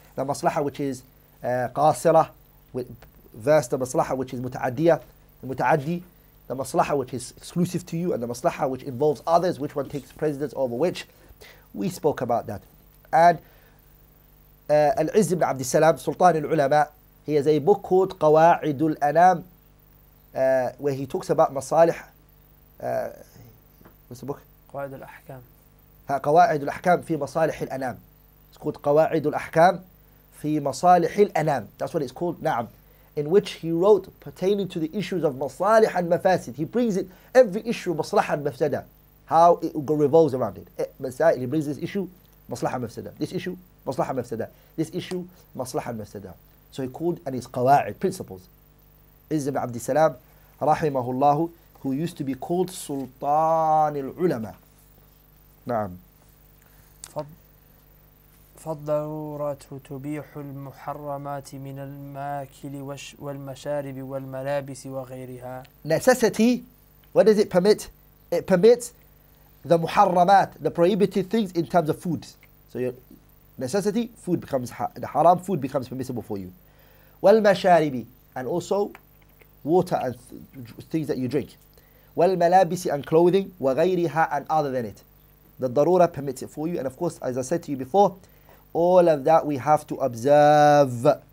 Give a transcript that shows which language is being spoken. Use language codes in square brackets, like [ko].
[en] The maslaha which is qasira versus the maslaha which is muta'addiya, muta'addi, the maslaha which is exclusive to you and the maslaha which involves others, which one takes precedence over which. We spoke about that. And Al-Izz ibn Abd Salam, Sultan al-Ulama, he has a book called Qawa'idul Anam, where he talks about masalih. What's the book? [ar] قواعد الأحكام. ها قواعد الأحكام في مصالح الأنام. [en] It's called [ar] قواعد الأحكام في مصالح الأنام. [en] That's what it's called. نعم. In which he wrote pertaining to the issues of [ar] مصالح المفاسد. [en] He brings it every issue [ar] مصلحة المفسدة. [en] How it revolves around it. مسائل. He brings this issue [ar] مصلحة المفسدة. [en] This issue [ar] مصلحة المفسدة. [en] This issue مصلحة المفسدة. So he called and his قواعد principles. Is Ibn Abd al-Salam rahimahullah, who used to be called Sultan al-Ulama. نعم. [ar] فالضرورة تبيح المحرمات من الماكل والمشارب والملابس وغيرها. [en] Necessity, what does it permit? It permits the محرمات, the prohibited things in terms of food. So your necessity, food becomes, the haram food becomes permissible for you. والمشارب, and also water and things that you drink. والملابس and clothing وغيرها and other than it. The darura permits it for you. And of course, as I said to you before, all of that we have to observe.